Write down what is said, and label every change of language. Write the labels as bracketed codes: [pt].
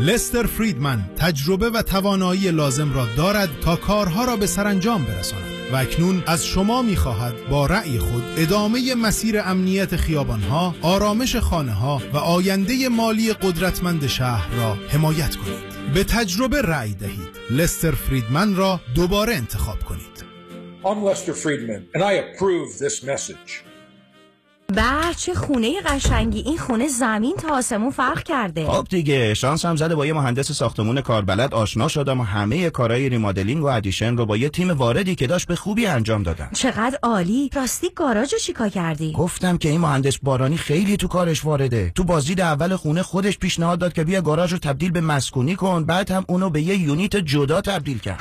[fa] لستر فریدمن تجربه و توانایی لازم را دارد تا کارها را به سرانجام برساند و اکنون از شما می خواهد با رأی خود ادامه مسیر امنیت خیابانها، آرامش خانه ها و آینده مالی قدرتمند شهر را حمایت کنید. به تجربه رأی دهید. لستر فریدمن را دوباره انتخاب کنید. [en] I'm Lester Friedman and I approve this message. [fa] بچه چه خونه قشنگی، این خونه زمین تا آسمون فرق کرده. خب دیگه شانس هم زده با یه مهندس ساختمون کاربلد آشنا شدم و همه کارهای ریمودلینگ و ادیشن رو با یه تیم واردی که داشت به خوبی انجام دادم. چقدر عالی. راستی گاراژو چیکار کردی؟ گفتم که این مهندس بارانی خیلی تو کارش وارده. تو بازدید اول خونه خودش پیشنهاد داد که بیا گاراژو تبدیل به مسکونی کن، بعد هم اونو به یه یونیت جدا تبدیل کرد.